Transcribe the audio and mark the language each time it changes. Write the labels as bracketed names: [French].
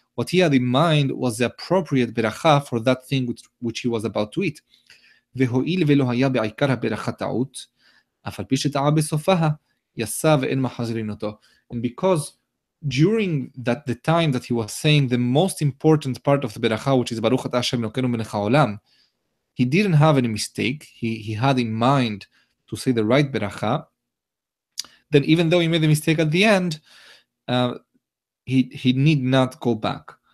[English] What he had in mind was the appropriate beracha for that thing which he was about to eat. [Hebrew] והואיל ולא היה בעיקר הברכת טעות, אף על פי שטעה בסופה, יסה ואין מחזירים אותו. [English] And because during that the time that he was saying the most important part of the beracha, which is [Hebrew] Baruch Atah Hashem Elokeinu Melech HaOlam, [English] he didn't have any mistake. He had in mind to say the right beracha. Then even though he made a mistake at the end, he need not go back.